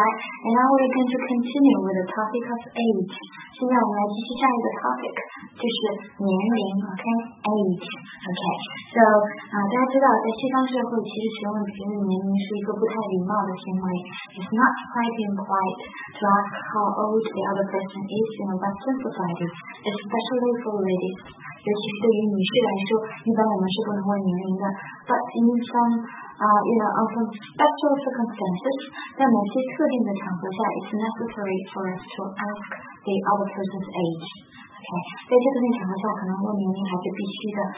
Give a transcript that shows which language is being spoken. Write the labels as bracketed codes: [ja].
[en] And now we're going to continue with the topic of age. [zh] 现在我们来继续下一个 topic, 就是年龄 okay? Age. Okay, so, 大家知道在西方社会其实询问别人年龄是一个不太礼貌的行为。 [en] It's not quite being polite to ask how old the other person is in a Western society, especially for ladies. [zh] 尤其是对于女士来说，一般我们是不能问年龄的。 [en] But in some, on some special circumstances, [zh] 在某些特定的场合下 [en] ，it's necessary for us to ask the other person's age. [zh] Okay, 在这个场合下，可能问年龄还是必须的。